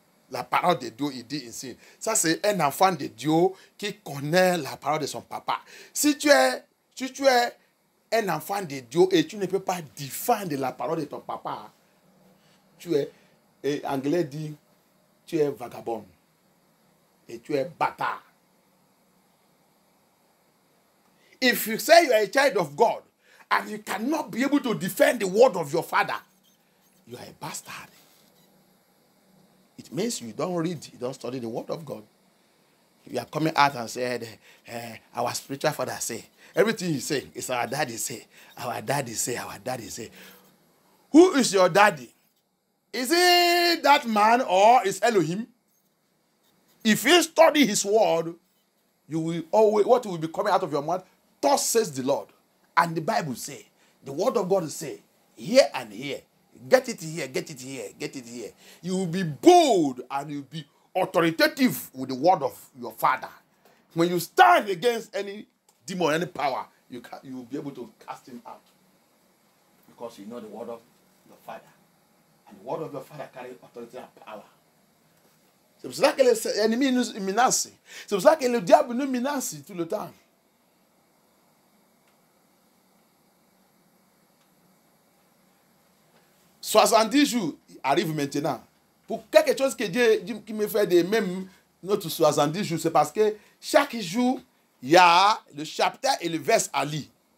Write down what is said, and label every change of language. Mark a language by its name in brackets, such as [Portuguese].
[French] La parole de Dieu, il dit ici. Ça, c'est un enfant de Dieu qui connaît la parole de son papa. Si tu es un enfant de Dieu et tu ne peux pas défendre la parole de ton papa, tu es, et anglais dit, tu es vagabond. Et tu es bâtard. [English] If you say you are a child of God and you cannot be able to defend the word of your father, you are a bastard. It means you don't read, you don't study the word of God. You are coming out and said, our spiritual father say, everything he say is our daddy say. Who is your daddy? Is it that man or is Elohim? If you study his word, you will always, what will be coming out of your mouth? Thus says the Lord. And the Bible say, the word of God say, here and here. Get it here. You will be bold and you will be authoritative with the word of your father. When you stand against any demon, any power, you can, you will be able to cast him out. Because you know the word of your father. And the word of your father carries authority and power. [French] C'est pour ça que les ennemis nous menacent. C'est pour ça que le diable nous menace tout le temps. Soixante-dix jours arrivent maintenant. Pour quelque chose que Dieu qui me fait de même notre 70 jours, c'est parce que chaque jour, il y a le chapitre et le verse à lire.